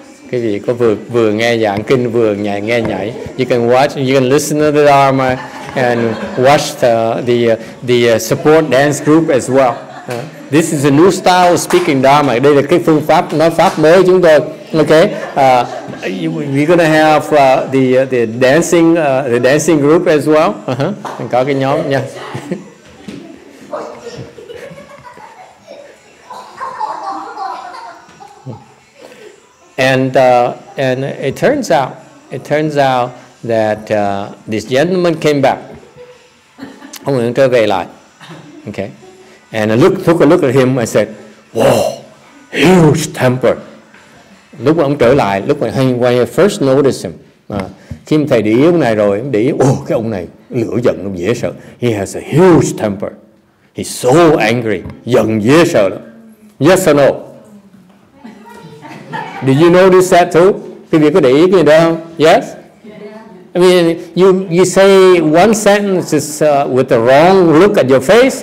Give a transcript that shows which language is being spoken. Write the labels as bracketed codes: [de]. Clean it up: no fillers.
[vi] Cái gì có vừa nghe giảng kinh, vừa nhảy, nghe nhảy. [en] You can watch, you can listen to the Dharma and watch the support dance group as well. This is a new style of speaking Dharma. [vi] Đây là cái phương pháp nói pháp mới chúng tôi. [en] Okay, we're gonna have the dancing group as well. Uh-huh. [vi] Có cái nhóm nha. [en] And it turns out that this gentleman came back. [vi] Ông ấy trở về lại. [en] Okay. And I took a look at him, I said, whoa, huge temper. [vi] Lúc mà ông trở lại, lúc mà hay quay, [en] I first noticed him. [vi] Khi mà thầy để ý ông này rồi, ông để ý, cái ông này, lửa giận, ông dễ sợ. [en] He has a huge temper. He's so angry. [vi] Giận dễ sợ lắm. [en] Yes or no? Did you notice that too? [vi] Thì việc có để ý cái gì đó không? [en] Yes? I mean, you say one sentence is with the wrong look at your face.